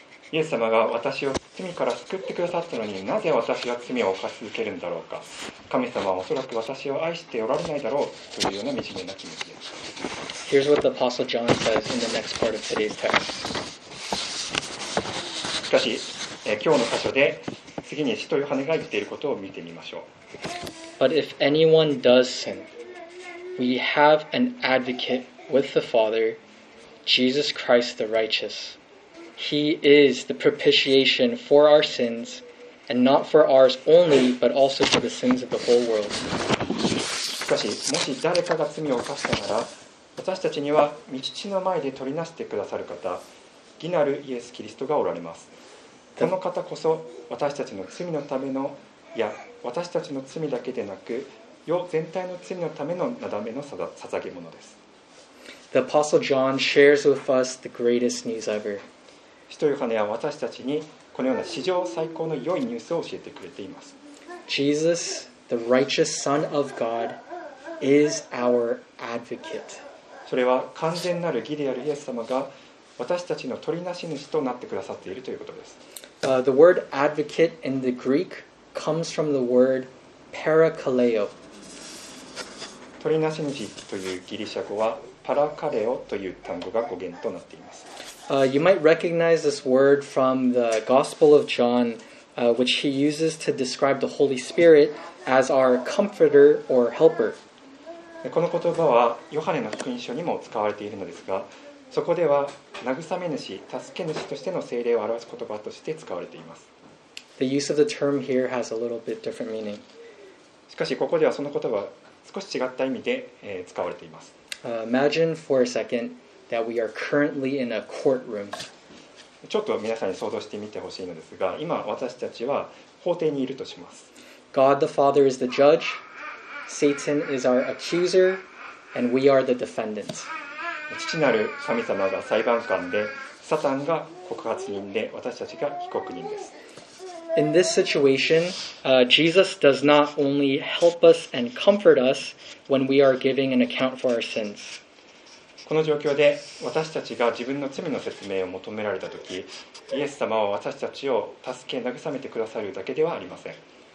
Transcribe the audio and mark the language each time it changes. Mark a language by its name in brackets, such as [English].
[Japanese] イエス様が私を罪から救ってくださったのに、なぜ私は罪を犯し続けるんだろうか。神様はおそらく私を愛しておられないだろうというような惨めな気持ちです。 [English] Here's what the Apostle John says in the next part of today's text. [Japanese] しかし、今日の箇所で次に使徒ヨハネが言っていることを見てみましょう。 [English] But if anyone does sin, we have an advocate with the Father, Jesus Christ the righteous. He is the propitiation for our sins, and not for ours only, but also for the sins of the whole world. [Japanese] しかし、もし誰かが罪を犯したなら、私たちには御父の前で取りなしてくださる方、義なるイエス・キリストがおられます。この方こそ、私たちの罪のための、いや、私たちの罪だけでなく、世全体の罪のためのなだめの捧げ物です。 [English] The Apostle John shares with us the greatest news ever. [Japanese] 使徒ヨハネは私たちにこのような史上最高の良いニュースを教えてくれています。 [English] Jesus, the righteous Son of God, is our advocate. [Japanese] それは完全なる義であるイエス様が私たちの取りなし主となってくださっているということです。 [English] The word advocate in the Greek comes from the word parakaleo. [Japanese] 取りなし主というギリシャ語はパラカレオという単語が語源となっています。 [English] You might recognize this word from the Gospel of John, which he uses to describe the Holy Spirit as our comforter or helper. [Japanese] この言葉はヨハネの福音書にも使われているのですが、そこでは慰め主、助け主としての聖霊を表す言葉として使われています。 [English] The use of the term here has a little bit different meaning. [Japanese] しかしここではその言葉は少し違った意味で、使われています。 [English] Imagine for a second. That we are currently in a courtroom. [Japanese] ちょっと皆さんに想像してみてほしいのですが、今私たちは法廷にいるとします。 [English] God the Father is the judge, Satan is our accuser, and we are the defendant. [Japanese] 父なる神様が裁判官で、サタンが告発人で、私たちが被告人です。 [English] In this situation, Jesus does not only help us and comfort us when we are giving an account for our sins. [Japanese] この状況で私たちが自分の罪の説明を求められたとき、イエス様は私たちを助け慰めてくださるだけではありません。